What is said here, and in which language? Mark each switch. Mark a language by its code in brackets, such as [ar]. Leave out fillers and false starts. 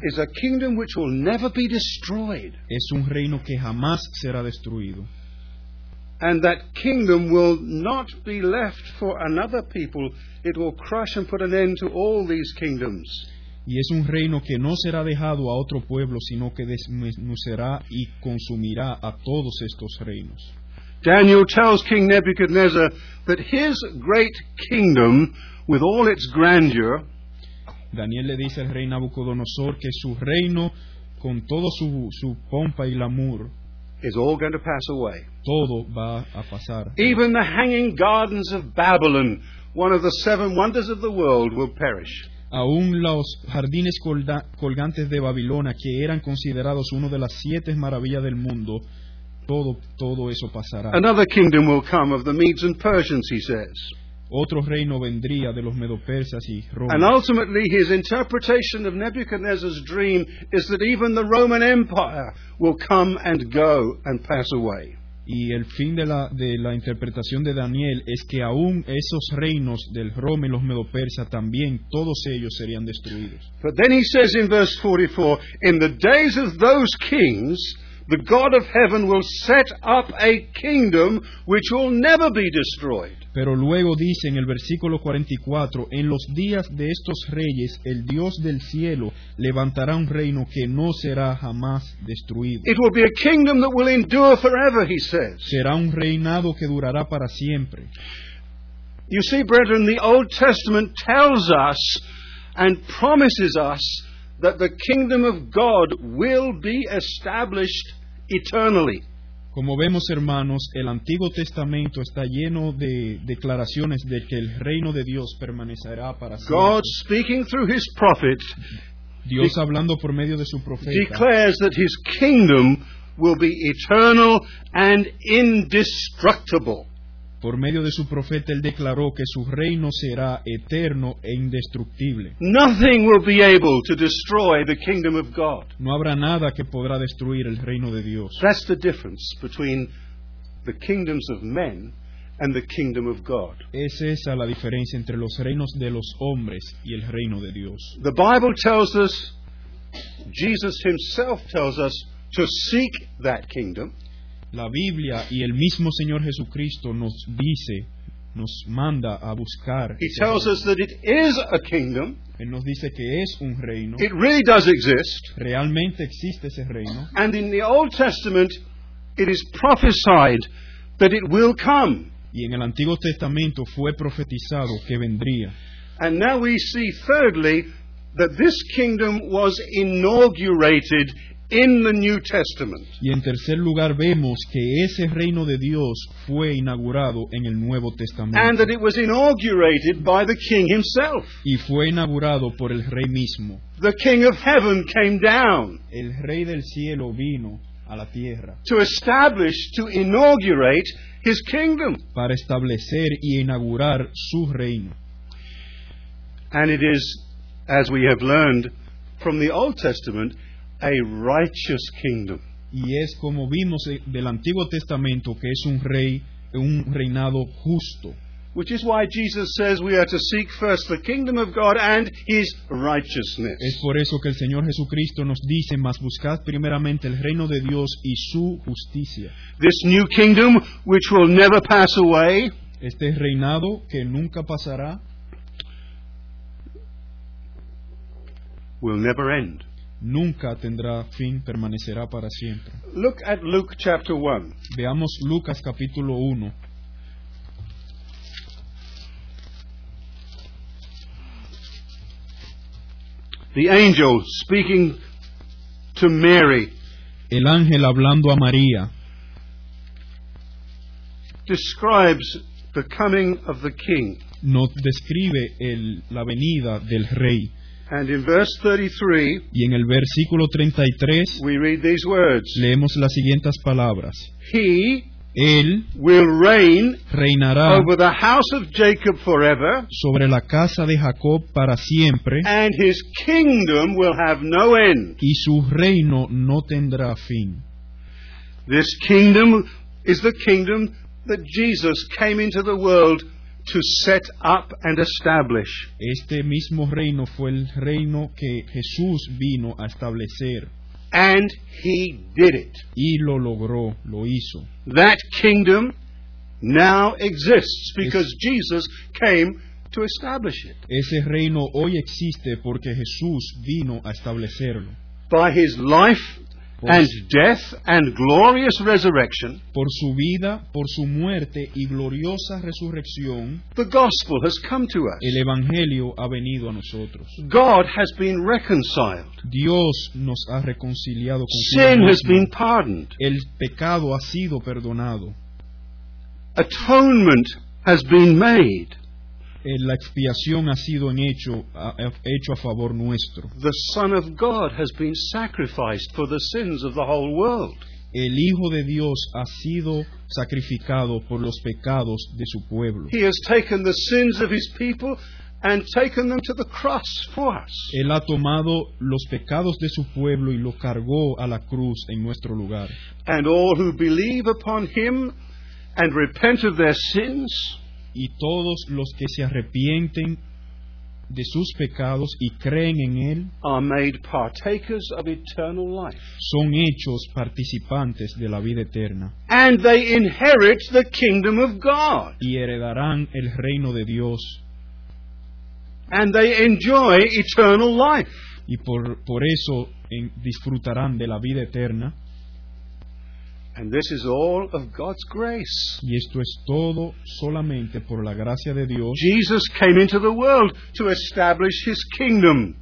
[en] is a kingdom which will never be destroyed. [es] Es un reino que jamás será destruido. [en] And that kingdom will not be left for another people. It will crush and put an end to all these kingdoms. [es] Y es un reino que no será dejado a otro pueblo, sino que desmenuzará y consumirá a todos estos reinos. [en] Daniel tells King Nebuchadnezzar that his great kingdom, with all its grandeur, [es] Daniel le dice al rey Nabucodonosor que su reino, con toda su pompa y glamour, [en] is all going to pass away. [es] Todo va a pasar. [en] Even the hanging gardens of Babylon, one of the seven wonders of the world, will perish. [es] Aún los jardines colgantes de Babilonia, que eran considerados una de las siete maravillas del mundo, todo eso pasará. [en] Another kingdom will come of the Medes and Persians, he says. [es] Otro reino vendría de los Medo-Persas y Roma. [en] And ultimately his interpretation of Nebuchadnezzar's dream is that even the Roman Empire will come and go and pass away. [es] Y el fin de la interpretación de Daniel es que aún esos reinos del Roma y los Medo-Persas también todos ellos serían destruidos. [en] But then he says in verse 44, in the days of those kings, the God of heaven will set up a kingdom which will never be destroyed. [es] Pero luego dice en el versículo 44, en los días de estos reyes, el Dios del cielo levantará un reino que no será jamás destruido. [en] It will be a kingdom that will endure forever, he says. [es] Será un reinado que durará para siempre. [en] You see, brethren, the Old Testament tells us and promises us that the kingdom of God will be established eternally. [es] Como vemos, hermanos, el Antiguo Testamento está lleno de declaraciones de que el reino de Dios permanecerá para siempre. [en] God, speaking through his prophet, [es] Dios hablando por medio de su profeta, [en] declares that his kingdom will be eternal and indestructible. [es] Por medio de su profeta, él declaró que su reino será eterno e indestructible. [en] Nothing will be able to destroy the kingdom of God. [es] No habrá nada que podrá destruir el reino de Dios. [en] That's the difference between the kingdoms of men and the kingdom of God. [es] Es esa la diferencia entre los reinos de los hombres y el reino de Dios. [en] The Bible tells us, Jesus himself tells us, to seek that kingdom. [es] La Biblia y el mismo Señor Jesucristo nos dice, nos manda a buscar. [en] He tells us that it is a kingdom. [es] Él nos dice que es un reino. [en] It really does exist. [es] Realmente existe ese reino. [en] And in the Old Testament, it is prophesied that it will come. [es] Y en el Antiguo Testamento fue profetizado que vendría. [en] And now we see, thirdly, that this kingdom was inaugurated in the New Testament. [es] Y en tercer lugar vemos que ese reino de Dios fue inaugurado en el Nuevo Testamento. [en] And that it was inaugurated by the King himself. [es] Y fue inaugurado por el Rey mismo. [en] The King of heaven came down. [es] El Rey del cielo vino a la tierra. [en] To establish, to inaugurate his kingdom. [es] Para establecer y inaugurar su reino. [en] And it is, as we have learned from the Old Testament, a righteous kingdom. [es] Y es como vimos del Antiguo Testamento que es un rey, un reinado justo. [en] Which is why Jesus says we are to seek first the kingdom of God and his righteousness. [es] Es por eso que el Señor Jesucristo nos dice, mas buscad primeramente el reino de Dios y su justicia. [en] This new kingdom which will never pass away. [es] Este reinado que nunca pasará. [en] Will never end. [es] Nunca tendrá fin, permanecerá para siempre. [en] Look at Luke chapter 1. [es] Veamos Lucas capítulo 1. [en] The angel speaking to Mary. [es] El ángel hablando a María. [en] Describes the coming of the king. [es] Nos describe la venida del rey. [en] And in verse 33, [es] y en el versículo 33, [en] we read these words. [es] Leemos las siguientes palabras. [en] He, [es] él, [en] will reign, [es] reinará [en] over the house of Jacob forever, [es] sobre la casa de Jacob para siempre, [en] and his kingdom will have no end. [es] Y su reino no tendrá fin. [en] This kingdom is the kingdom that Jesus came into the world to set up and establish. [es] Este mismo reino fue el reino que Jesús vino a establecer. [en] And he did it. [es] Y lo logró, lo hizo. [en] That kingdom now exists because Jesus came to establish it. [es] Ese reino hoy existe porque Jesús vino a establecerlo. [en] By his life and death and glorious resurrection, [es] por su vida, por su muerte y gloriosa resurrección, [en] the gospel has come to us. [es] El evangelio ha venido a nosotros. [en] God has been reconciled. [es] Dios nos ha reconciliado con [en] Dios. Sin has been pardoned. [es] El pecado ha sido perdonado. [en] Atonement has been made. [es] La expiación ha sido hecho a favor nuestro. [en] The Son of God has been sacrificed for the sins of the whole world. [es] El Hijo de Dios ha sido sacrificado por los pecados de su pueblo. [en] He has taken the sins of his people and taken them to the cross for us. [es] Él ha tomado los pecados de su pueblo y lo cargó a la cruz en nuestro lugar. [en] And all who believe upon him and repent of their sins, [es] y todos los que se arrepienten de sus pecados y creen en Él, [en] are made partakers of eternal life. [es] Son hechos participantes de la vida eterna. [en] And they inherit the kingdom of God. [es] Y heredarán el reino de Dios. [en] And they enjoy eternal life. [es] Y por eso disfrutarán de la vida eterna. [en] And this is all of God's grace. [es] Y esto es todo solamente por la gracia de Dios. [en] Jesus came into the world to establish his kingdom.